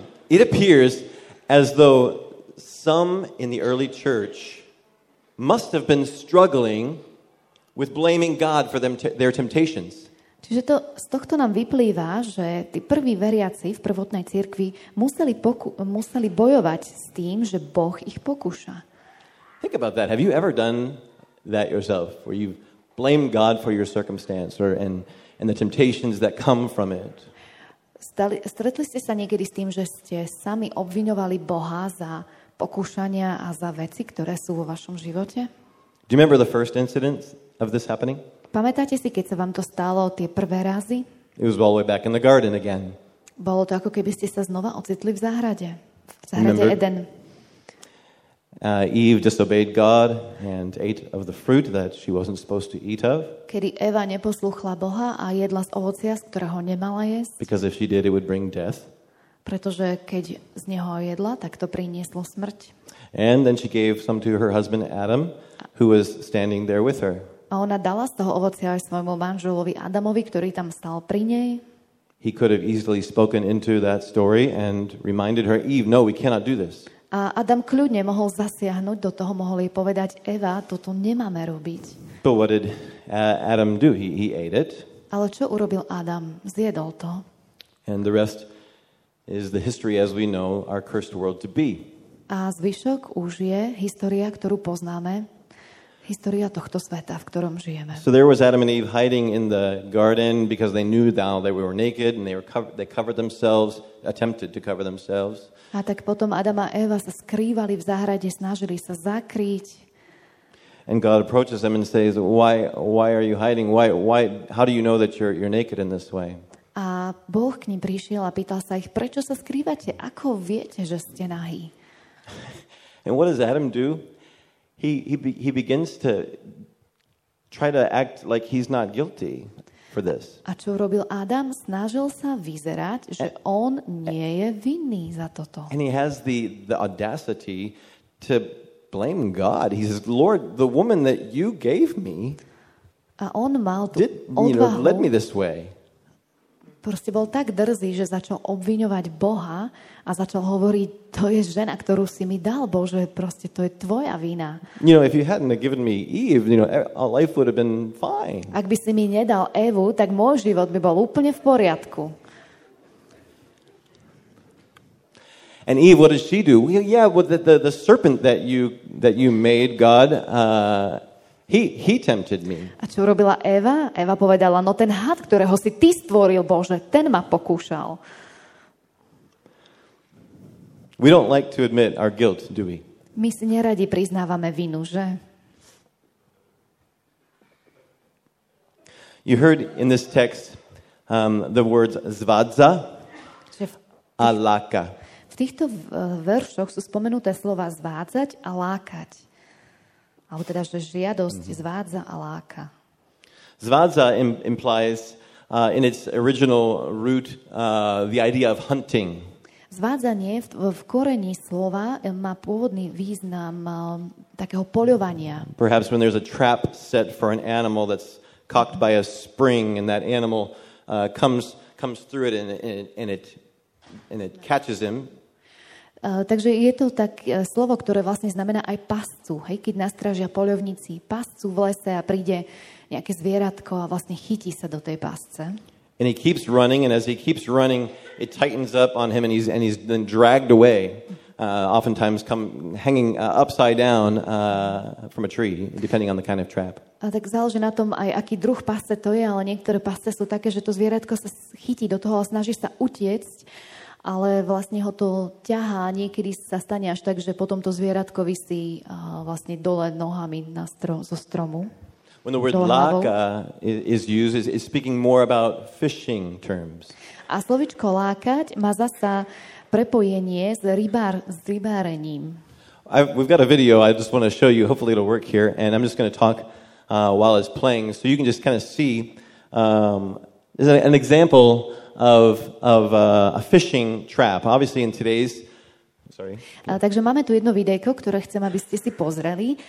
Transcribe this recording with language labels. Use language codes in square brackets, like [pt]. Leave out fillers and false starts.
[en] It appears as though some in the early church must have been struggling with blaming God for their temptations. [sk] Čiže to, z tohto nám vyplýva, že tí prví veriaci v prvotnej cirkvi museli, museli bojovať s tým, že Boh ich pokúša. [en] Think about that. Have you ever done that yourself, where you blame God for your circumstance or and the temptations that come from it? [sk] Stretli ste sa niekedy s tým, že ste sami obviňovali Boha za pokúšania a za veci, ktoré sú vo vašom živote? [en] Do you remember the first incident of this happening? [sk] Pamätáte si, keď sa vám to stalo tie prvé razy? [en] It was all the way back in the garden again. [sk] Bolo to, ako keby ste sa znova ocitli v záhrade. V záhrade Eden. [en] Eve disobeyed God and ate of the fruit that she wasn't supposed to eat of. [sk] Kedy Eva neposlúchla Boha a jedla z ovocia, z ktorého nemala jesť. [en] Because if she did, it would bring death. [sk] Pretože keď z neho jedla, tak to prinieslo smrť. [en] And then she gave some to her husband Adam, who was standing there with her. [sk] A ona dala z toho ovocia aj svojmu manželovi Adamovi, ktorý tam stál pri nej. [en] He could have easily spoken into that story and reminded her, Eve, no, we cannot do this. [sk] A Adam kľudne mohol zasiahnuť do toho, mohol jej povedať, Eva, toto nemáme robiť. [en] But what did Adam do? He ate it. [sk] Ale čo urobil Adam? Zjedol to. [en] And the rest is the history as we know our cursed world to be. [sk] A zvyšok už je história, ktorú poznáme. História tohto sveta, v ktorom žijeme. [en] So there was Adam and Eve hiding in the garden because they knew that they were naked and they attempted to cover themselves. [sk] A tak potom Adam a Eva sa skrývali v záhrade, snažili sa zakryť. [en] And God approaches them and says, why are you hiding? Why how do you know that you're naked in this way? [sk] A Boh k nim prišiel a pýtal sa ich, prečo sa skrývate? Ako viete, že ste nahí? [en] And what does Adam do? He begins to try to act like he's not guilty for this. [sk] A čo robil Adam? Snažil sa vyzerať, že on nie je vinný za toto. [en] And he has the audacity to blame God. He says, Lord, the woman that you gave me. [sk] A on mal tú odvahu. [en] You know, led me this way. [sk] Proste bol tak drzý, že začal obviňovať Boha a začal hovoriť, to je žena, ktorú si mi dal, Bože, proste to je tvoja vina. [en] You know, if you hadn't given me Eve, you know, our life would have been fine. [sk] Ak by si mi nedal Evu, tak môj život by bol úplne v poriadku. [en] And Eve, what did she do? Well, yeah, well, the serpent that you made, God, He tempted me. [sk] A čo robila Eva? Eva povedala, no ten had, ktorého si ty stvoril, Bože, ten ma pokúšal. [en] We don't like to admit our guilt, do we? [sk] My si neradi priznávame vinu, že? [en] You heard in this text the words [sk] zvádza a láka. V týchto veršoch sú spomenuté slova zvádzať a lákať. Alebo teda, že žiadosť zvádza a láka. [en] Zvádza implies in its original root the idea of hunting. [sk] Zvádzanie v korení slova má pôvodný význam takého poľovania. [en] Perhaps when there's a trap set for an animal that's cocked by a spring and that animal comes through it and it catches him. [sk] Takže je to tak slovo, ktoré vlastne znamená aj pascu, hej, keď nastražia poľovníci pascu v lese a príde nejaké zvieratko a vlastne chytí sa do tej pasce. [en] And he keeps running, and as he keeps running, it tightens up on him, and he's then dragged away, oftentimes come hanging upside down from a tree, depending on the kind of trap. [sk] A tak záleží na tom, aj aký druh pasce to je, ale niektoré pasce sú také, že to zvieratko sa chytí do toho a snaží sa utiecť, ale vlastne ho to ťahá, niekedy sa stane až tak, že potom to zvieratko visí vlastne dole nohami na zo stromu. [en] When the word láka is used, it's speaking more about fishing terms. [sk] A slovičko lákať má zasa prepojenie s rybárením. [en] We've got a video I just want to show you. Hopefully it'll work here. And I'm just going to talk while it's playing. So you can just kind of see an example of a fishing trap. Obviously in today's... Sorry. [sk] Takže máme tu jedno videjko, ktoré chcem, aby ste si pozreli.